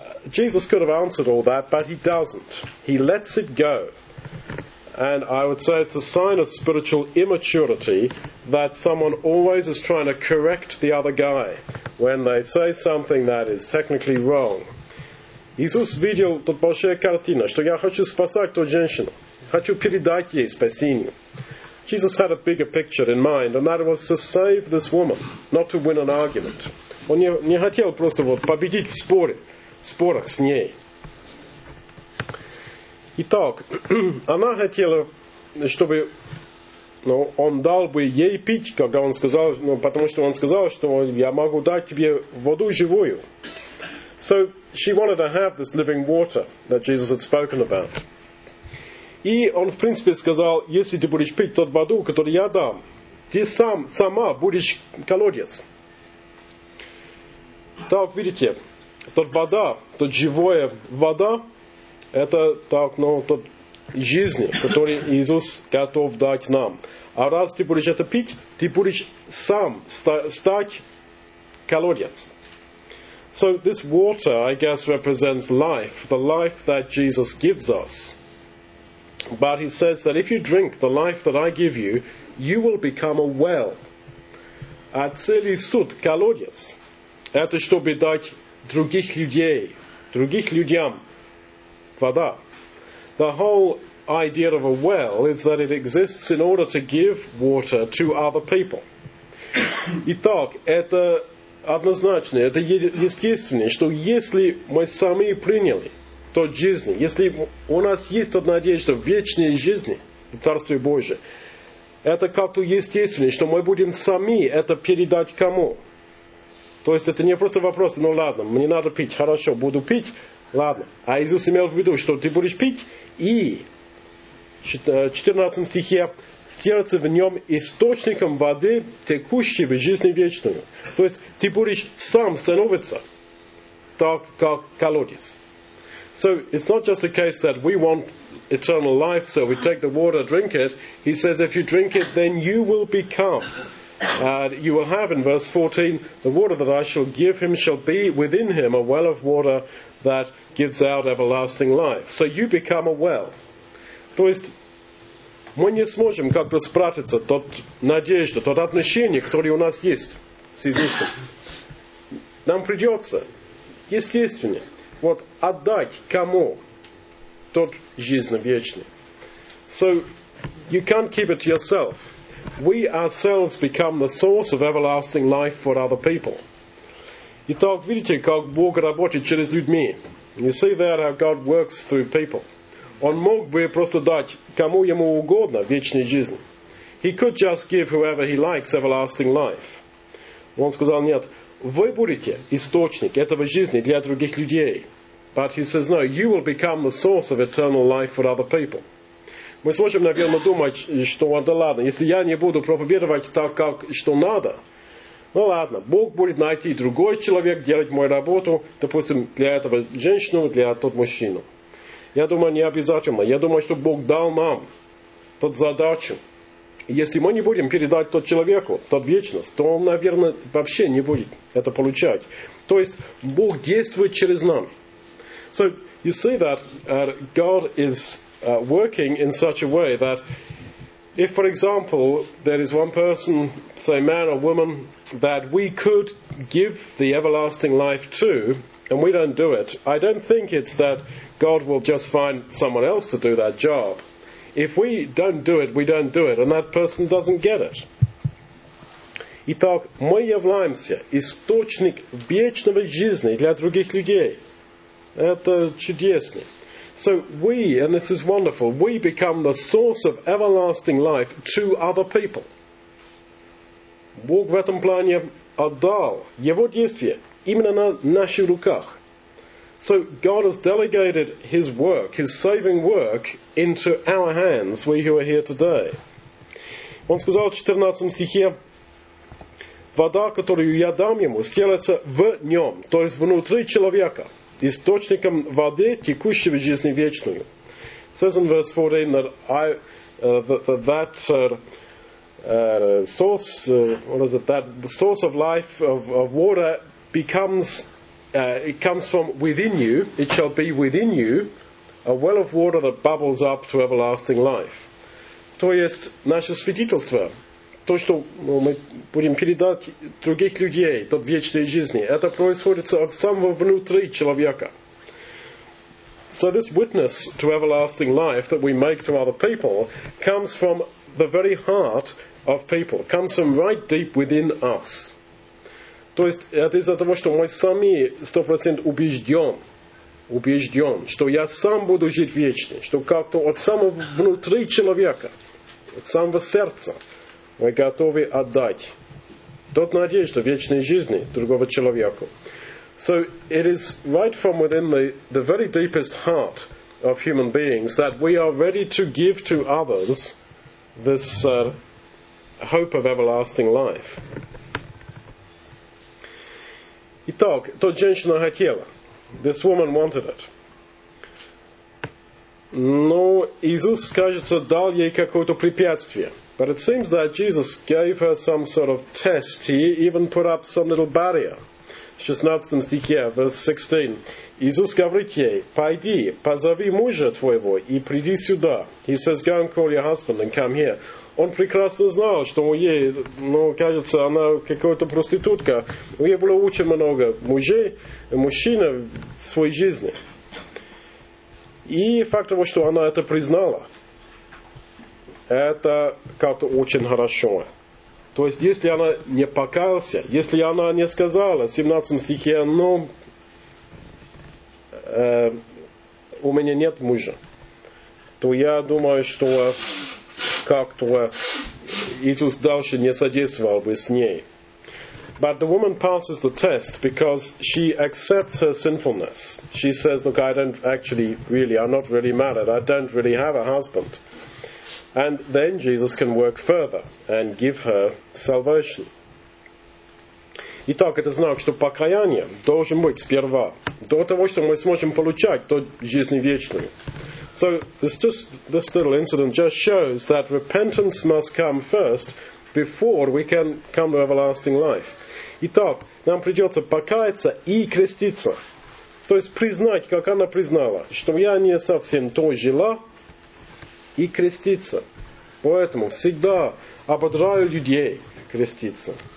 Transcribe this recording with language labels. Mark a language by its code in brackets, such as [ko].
[en] Jesus could have answered all that, but he doesn't. He lets it go. And I would say it's a sign of spiritual immaturity that someone always is trying to correct the other guy when they say something that is technically wrong. [ru] Иисус видел тут большая картина, что я хочу спасать ту женщину, хочу передать ей спасение. [en] Jesus had a bigger picture in mind, and that was to save this woman, not to win an argument. [ru] Он не хотел просто вот победить в спорах с ней. Итак, она хотела, чтобы он дал бы ей пить, когда он сказал, потому что он сказал, что я могу дать тебе воду живую. [en] So she wanted to have this living water that Jesus had spoken about. [ru] И он, в принципе, сказал, если ты будешь пить тот воду, которую я дам, ты сама будешь колодец. Так, видите, тот вода, тот живая вода, это так, тот жизнь, который Иисус готов дать нам. А раз ты будешь это пить, ты будешь сам стать колодец. [en] So this water, I guess, represents life, the life that Jesus gives us. But he says that if you drink the life that I give you, you will become a well. [ru] А целый суд колодец. Это чтобы дать другим людям вода. [en] The whole idea of a well is that it exists in order to give water to other people. [ru] Итак, это однозначно, это естественно, что если мы сами приняли тот жизнь, если у нас есть тот надежда в вечной жизни в Царстве Божьем, это как-то естественно, что мы будем сами это передать кому. То есть это не просто вопрос, ладно, мне надо пить, хорошо, буду пить, ладно. А Иисус имел в виду, что ты будешь пить, и в 14 стихе сделаться в нем источником воды, текущей в жизни вечную. То есть ты будешь сам становиться так, как колодец. [en] So it's not just a case that we want eternal life, so we take the water, drink it. He says if you drink it, then you will become. You will have in verse 14, the water that I shall give him shall be within him a well of water that gives out everlasting life. So you become a well. [ru] То есть мы не сможем как-то спрятаться тот надежда, тот отношение, которое у нас есть с Иисусом. Нам придется, естественно, отдать кому тот жизнь вечный. [en] So, you can't keep it to yourself. We ourselves become the source of everlasting life for other people. [ru] Итак, видите, как Бог работает через людьми. [en] You see there how God works through people. [ru] Он мог бы просто дать кому ему угодно вечную жизнь. [en] He could just give whoever he likes everlasting life. [ru] Он сказал, нет, вы будете источник этого жизни для других людей. [en] But he says, no, you will become the source of eternal life for other people. [ru] Мы сможем, наверное, думать, что, да ладно, если я не буду проповедовать так, как что надо, Ну ладно, Бог будет найти другой человек, делать мою работу, допустим, для этого женщину, для тот мужчину. Я думаю, не обязательно. Я думаю, что Бог дал нам тот задачу. Если мы не будем передать тот человеку, тот вечность, то он, наверное, вообще не будет это получать. То есть Бог действует через нам. [en] So you see that God is working in such a way that if, for example, there is one person, say man or woman, that we could give the everlasting life to, and we don't do it, I don't think it's that God will just find someone else to do that job. If we don't do it, we don't do it, and that person doesn't get it. [ru] Итак, мы являемся источник вечного жизни для других людей. Это чудесно. [en] So we, and this is wonderful, we become the source of everlasting life to other people. [ru] Бог в этом плане отдал его действие именно на наших руках. [en] So God has delegated his work, his saving work, into our hands, we who are here today. [ru] Он сказал в 14 стихе, вода, которую я дам ему, сделается в нем, то есть внутри человека, источником воды, текущего жизни вечную. [en] It says in verse 14 that that source of life, of water, becomes... it comes from within you, it shall be within you, a well of water that bubbles up to everlasting life. [ru] То есть наше свидетельство, то, что мы будем передать других людей, тот вечной жизни, это происходит от самого внутри человека. [en] So this witness to everlasting life that we make to other people comes from the very heart of people, comes from right deep within us. [ru] То есть это из-за того, что мы сами 100% убежден, что я сам буду жить вечно, что как-то от самого внутри человека, от самого сердца, мы готовы отдать тот надежду вечной жизни другого человеку. [en] So it is right from within the very deepest heart of human beings that we are ready to give to others this hope of everlasting life. [ru] Итак, то женщина хотела. [en] This woman wanted it. [ru] Но Иисус, кажется, дал ей какое-то препятствие. [en] But it seems that Jesus gave her some sort of test. He even put up some little barrier. [ru] В 16 стихе, [en] verse 16. [ru] Иисус говорит ей, пойди, позови мужа твоего и приди сюда. [en] He says, go and call your husband and come here. [ru] Он прекрасно знал, что у ей, ну, кажется, она какая-то проститутка. У нее было очень много мужей, мужчин в своей жизни. И факт того, что она это признала, это как-то очень хорошо. То есть, если она не покаялся, если она не сказала в 17 стихе, ну, у меня нет мужа, то я думаю, что... как-то Иисус дальше не содействовал бы с ней. [en] But the woman passes the test because she accepts her sinfulness. She says, look, I'm not really married. I don't really have a husband. And then Jesus can work further and give her salvation. [ru] Итак, это знак, что покаяние должен быть сперва. До того, что мы сможем получать то жизнь вечную. [en] So this little incident just shows that repentance must come first before we can come to everlasting life. [ru] Итак, нам придется покаяться и креститься. То есть признать, как она признала, что я не совсем то жила, и креститься. Поэтому всегда ободраю людей креститься.